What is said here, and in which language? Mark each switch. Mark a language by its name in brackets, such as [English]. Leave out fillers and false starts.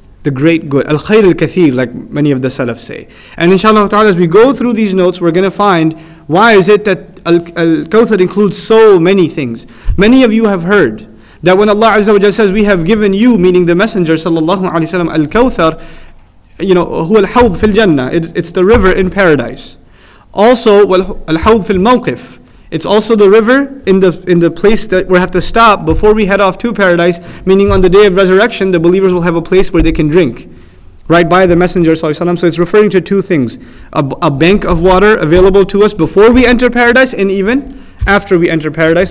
[English] The great good, al-khayr al-kathir, like many of the salaf say. And inshallah ta'ala, as we go through these notes, we're going to find why is it that al-kawthar includes so many things. Many of you have heard that when Allah Azza wa Jalla says, we have given you, meaning the Messenger sallallahu alayhi wa sallam, al-kawthar, you know, [Arabic] huwa al-hawd fil-jannah, [English] it's the river in paradise. Also, [Arabic] الحوض في الموقف. [English] It's also the river in the place that we have to stop before we head off to paradise, meaning on the day of resurrection, the believers will have a place where they can drink, right by the Messenger sallallahu alaihi wasallam. So it's referring to two things, a bank of water available to us before we enter paradise, and even after we enter paradise.